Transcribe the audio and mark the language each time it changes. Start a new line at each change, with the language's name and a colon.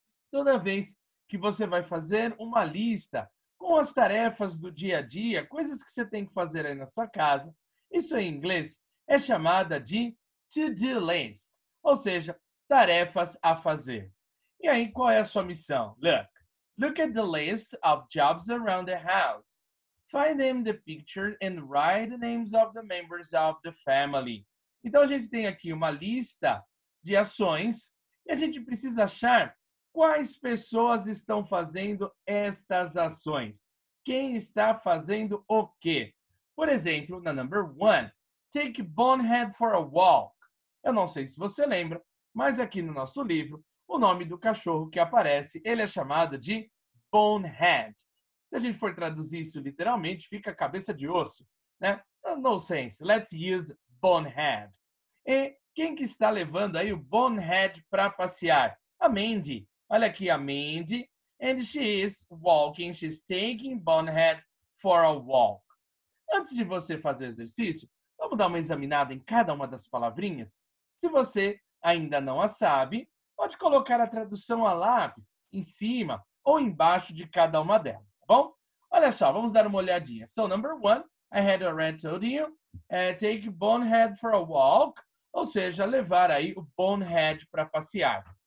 Portuguese: Toda vez que você vai fazer uma lista com as tarefas do dia a dia, coisas que você tem que fazer aí na sua casa, isso em inglês é chamada de to-do list, ou seja, tarefas a fazer. E aí, qual é a sua missão?
English: Look at the list of jobs around the house. Find them the picture and write the names of the members of the family.
Portuguese: Então, a gente tem aqui uma lista de ações e a gente precisa achar quais pessoas estão fazendo estas ações. Quem está fazendo o quê? Por exemplo, na number one,
English: take Bonehead for a walk.
Portuguese: Eu não sei se você lembra, mas aqui no nosso livro, o nome do cachorro que aparece, ele é chamado de Bonehead. Se a gente for traduzir isso literalmente, fica cabeça de osso, né?
English: No sense, let's use Bonehead.
Portuguese: E quem que está levando aí o Bonehead para passear? A Mandy. Olha aqui a Mandy.
English: And she is walking, she's taking Bonehead for a walk.
Portuguese: Antes de você fazer o exercício, vamos dar uma examinada em cada uma das palavrinhas? Se você ainda não a sabe, pode colocar a tradução a lápis em cima ou embaixo de cada uma delas. Bom, olha só, vamos dar uma olhadinha.
English: So, number one, I had already told you, take Bonehead for a walk,
Portuguese: ou seja, levar aí o Bonehead para passear.